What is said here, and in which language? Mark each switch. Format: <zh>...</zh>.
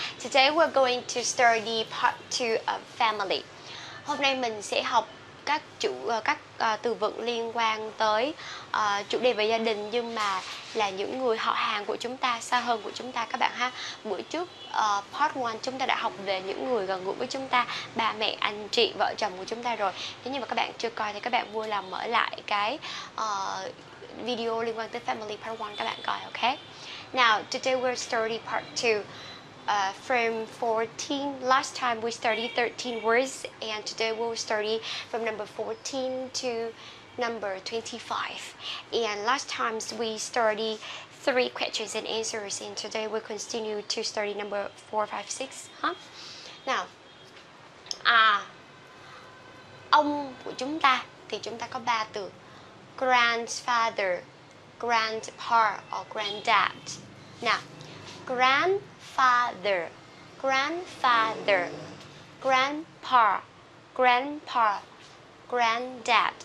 <en>Today we're going to study part 2 of family.</en> <vi>Hôm nay mình sẽ học các chủ các từ vựng liên quan tới chủ đề về gia đình, nhưng mà là những người họ hàng của chúng ta, xa hơn của chúng ta các bạn ha. Bữa trước part 1 chúng ta đã học về những người gần gũi với chúng ta, ba mẹ, anh chị, vợ chồng của chúng ta rồi. Nếu như mà các bạn chưa coi thì các bạn vui lòng mở lại cái video liên quan tới family part 1 các bạn coi, ok?</vi> <en>Now, today we're studying part 2 from 14. Last time we studied 13 words, and today we'll study from number 14 to number 25. And last time we studied 3 questions and answers, and today we continue to study number 4, 5, 6, huh?</en> <vi>Now, ông của chúng ta thì chúng ta có 3 từ:</vi> <en>grandfather, grandpa, or granddad. Now, grandfather, grandfather, grandpa, grandpa, granddad.</en>